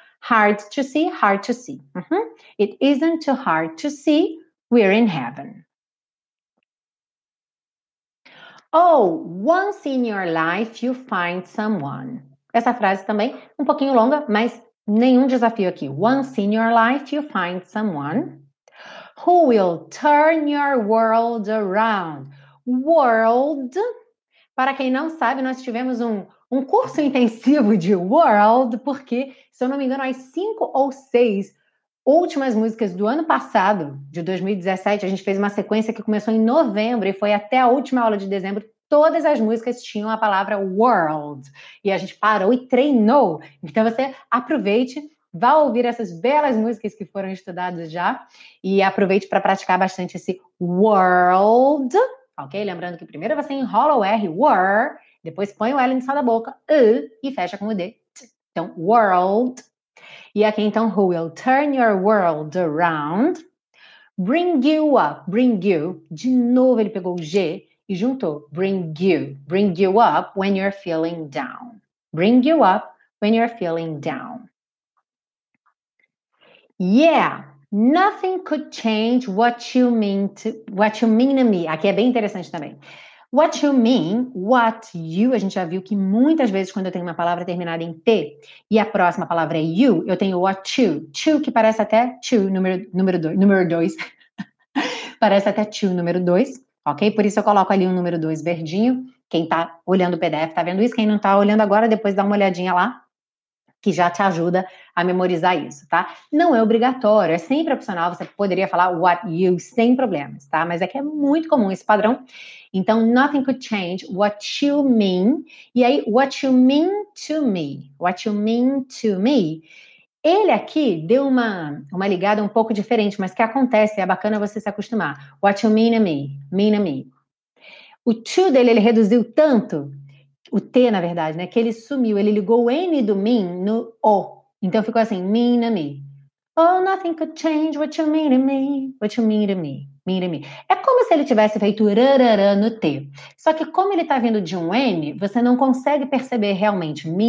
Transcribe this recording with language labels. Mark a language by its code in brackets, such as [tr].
[en] Isn't too hard to see. It isn't too hard to see, we're in heaven. Oh, once in your life you find someone. [pt] Essa frase também, um pouquinho longa, mas nenhum desafio aqui. [en] Once in your life you find someone who will turn your world around. [pt] World, para quem não sabe, nós tivemos um curso intensivo de world, porque, se eu não me engano, as 5 ou 6 últimas músicas do ano passado, de 2017, a gente fez uma sequência que começou em novembro e foi até a última aula de dezembro. Todas as músicas tinham a palavra world. E a gente parou e treinou. Então, você aproveite, vá ouvir essas belas músicas que foram estudadas já. E aproveite para praticar bastante esse world. Ok? Lembrando que primeiro você enrola o R, were. Depois põe o L no céu da boca, e fecha com o D. [en] Então, world. E aqui, então, who will turn your world around. Bring you up. Bring you. [pt] De novo, ele pegou o G e juntou. [en] Bring you up when you're feeling down. Bring you up when you're feeling down. Yeah, nothing could change what you mean to me. [pt] Aqui é bem interessante também. What you mean, what you, a gente já viu que muitas vezes quando eu tenho uma palavra terminada em T e a próxima palavra é you, eu tenho what you, to, que parece até to, número dois. Parece até to, número dois, ok? Por isso eu coloco ali um número dois verdinho. Quem tá olhando o PDF tá vendo isso, quem não tá olhando agora, depois dá uma olhadinha lá, que já te ajuda a memorizar isso, tá? Não é obrigatório, é sempre opcional, você poderia falar what you sem problemas, tá? Mas é que é muito comum esse padrão. [en] Então, nothing could change what you mean. E aí, what you mean to me. What you mean to me. [pt] Ele aqui deu uma ligada um pouco diferente, mas que acontece, é bacana você se acostumar. What you mean to me. Mean to me. O to dele, ele reduziu tanto, o T, na verdade, né? Que ele sumiu. Ele ligou o N do mean no O. Então, ficou assim, mean to me. [en] Oh, nothing could change what you mean to me. What you mean to me. Mean to me. [pt] É como se ele tivesse feito rarara no T. Só que como ele tá vindo de um N, você não consegue perceber realmente.